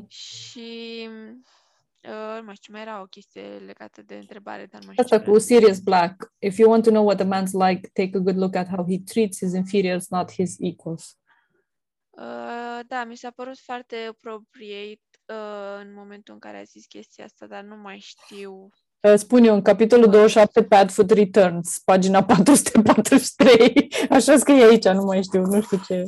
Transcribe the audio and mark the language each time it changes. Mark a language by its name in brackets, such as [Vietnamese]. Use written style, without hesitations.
[Romanian] Și nu mai știu, mai era o chestie legată de întrebare, dar mai asta cu Sirius Black. [English] If you want to know what a man's like, take a good look at how he treats his inferiors, not his equals. [Romanian] Da, mi s-a părut foarte appropriate în momentul în care a zis chestia asta, dar nu mai știu. Spun eu, în capitolul 27, Padfoot Returns, pagina 443. Așa scrie aici, nu mai știu, nu știu ce.